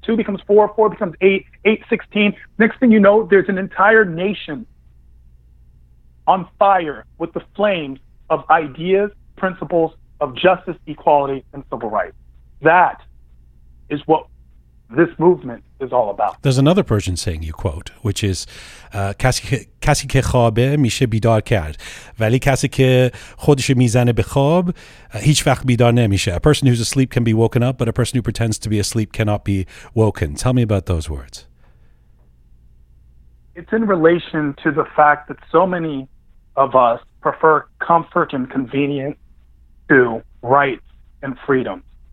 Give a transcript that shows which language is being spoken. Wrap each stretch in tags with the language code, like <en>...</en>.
<en>Two becomes four, four becomes eight, eight, 16. Next thing you know, there's an entire nation on fire with the flames of ideas, principles of justice, equality, and civil rights. That is what this movement is all about. There's another Persian saying you quote, which is,</en> <fa>کسی که خوابه میشه بیدار کرد ولی کسی که خودش میزنه به خواب هیچ وقت بیدار نمیشه.</fa> <en>A person who's asleep can be woken up, but a person who pretends to be asleep cannot be woken. Tell me about those words. It's in relation to the fact that so many of us prefer comfort and convenience to rights and freedom.</en>